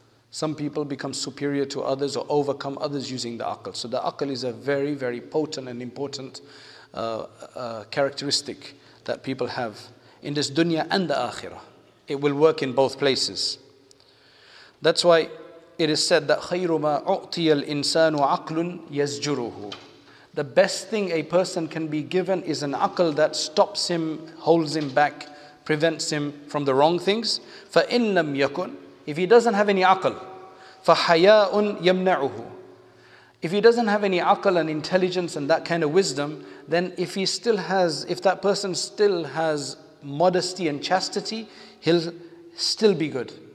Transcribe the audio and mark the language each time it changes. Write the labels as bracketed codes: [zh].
[en] Some people become superior to others or overcome others using the aql. So the aql is a very, very potent and important characteristic that people have in this dunya and the akhirah. It will work in both places. That's why it is said that [ar] خَيْرُ مَا أُعْطِيَ الْإِنسَانُ عَقْلٌ يَزْجُرُهُ. [en] The best thing a person can be given is an aql that stops him, holds him back, prevents him from the wrong things. [ar] فَإِن لَمْ يَكُنْ, [en] if he doesn't have any aql, [ar] فَحَيَاءٌ يَمْنَعُهُ, [en] if he doesn't have any aql and intelligence and that kind of wisdom, then if that person still has modesty and chastity, he'll still be good.